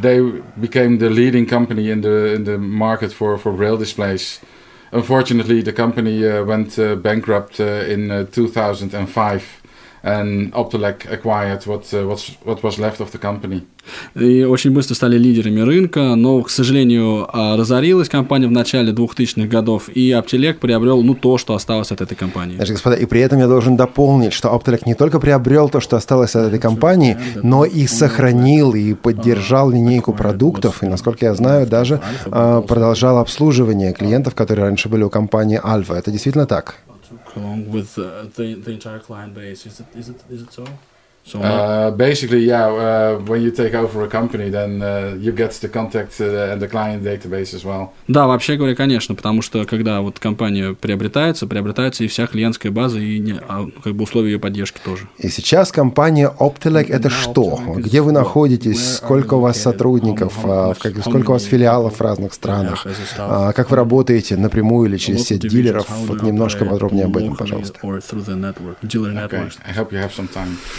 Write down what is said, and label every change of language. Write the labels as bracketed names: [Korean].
[English] They became the leading company in the market for braille displays. Unfortunately, the company went bankrupt in 2005. And Optelec acquired what was left of the company. [Russian] И очень быстро стали лидерами рынка, но, к сожалению, разорилась компания в начале 2000-х годов, и Optelec приобрел то, что осталось от этой компании. Знаешь, господа, и при этом я должен дополнить, что Optelec не только приобрел то, что осталось от этой компании, но и сохранил и поддержал линейку продуктов, и, насколько я знаю, даже продолжал обслуживание клиентов, которые раньше были у компании Alpha. Это действительно так? [English] Along with the entire client base, is it so? So basically, yeah. When you take over a company, then you get the contact and the client database as well. [Russian] Да, вообще говоря, конечно, потому что когда вот компания приобретается и вся клиентская база и условия ее поддержки тоже. И сейчас компания Optelec это что? Где вы находитесь? Сколько у вас сотрудников? Сколько у вас филиалов в разных странах? Как вы работаете напрямую или через сеть дилеров? Вот немножко подробнее об этом, пожалуйста. [English] Okay, I hope you have some time.